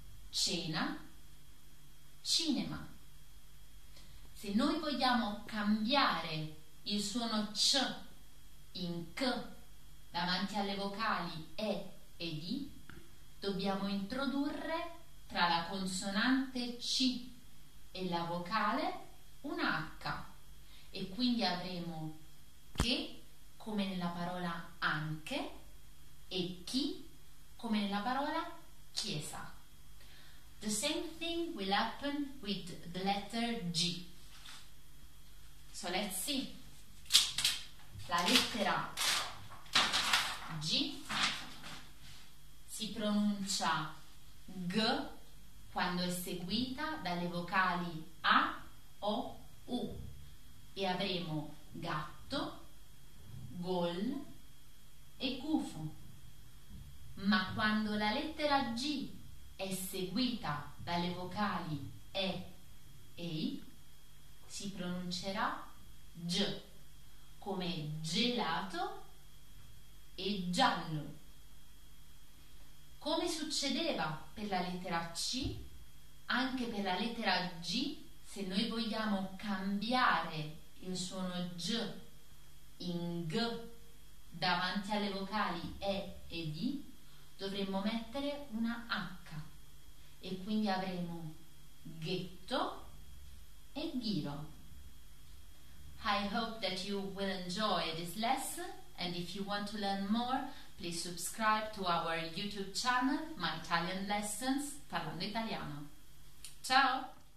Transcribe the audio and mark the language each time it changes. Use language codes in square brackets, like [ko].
[it] Cena, cinema. Se noi vogliamo cambiare il suono C in C davanti alle vocali E e D, dobbiamo introdurre tra la consonante C e la vocale una H e quindi avremo che come nella parola anche e chi come nella parola chiesa. [en] The same thing will happen with the letter G. So let's see. [it] La lettera G si pronuncia G quando è seguita dalle vocali A, O, U e avremo gatto, gol e gufo. Ma quando la lettera G è seguita dalle vocali E e I si pronuncerà G come gelato e giallo. Come succedeva per la lettera C, anche per la lettera G, se noi vogliamo cambiare il suono G in G davanti alle vocali E e D, dovremmo mettere una H e quindi avremo ghetto e ghiro. [en] I hope that you will enjoy this lesson and if you want to learn more, please subscribe to our YouTube channel, My Italian Lessons, Parlando Italiano. Ciao!